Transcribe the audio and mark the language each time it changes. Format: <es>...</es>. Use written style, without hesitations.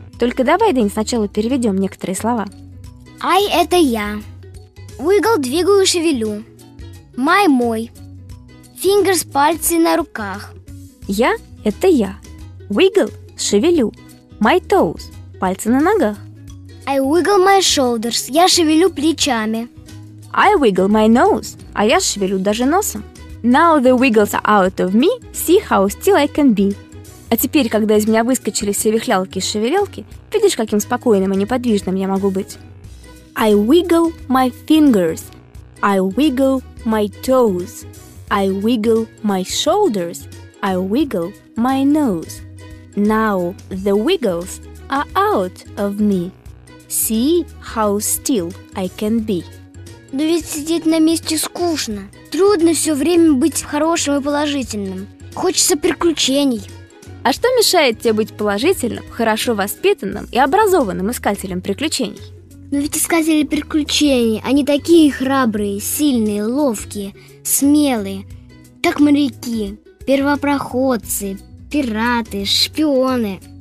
<ru>Только давай, Дэнь, сначала переведем некоторые слова. I – это я. Wiggle – двигаю, шевелю. My – мой. Fingers – пальцы на руках. Я – это я. Wiggle – шевелю. My toes – пальцы на ногах.</ru> <en>I wiggle my shoulders –</en> <ru>я шевелю плечами.</ru> <en>I wiggle my nose</en> <ru>– а я шевелю даже носом.</ru> <en>Now the wiggles are out of me, see how still I can be.</en> <ru>А теперь, когда из меня выскочили все вихлялки и шевелелки, видишь, каким спокойным и неподвижным я могу быть.</ru> <en>I wiggle my fingers, I wiggle my toes, I wiggle my shoulders, I wiggle my nose. Now the wiggles are out of me. See how still I can be.</en> <ru>Но ведь сидеть на месте скучно. Трудно все время быть хорошим и положительным. Хочется приключений. А что мешает тебе быть положительным, хорошо воспитанным и образованным искателем приключений? Но ведь искатели приключений, они такие храбрые, сильные, ловкие, смелые, как моряки, первопроходцы, пираты, шпионы.</ru>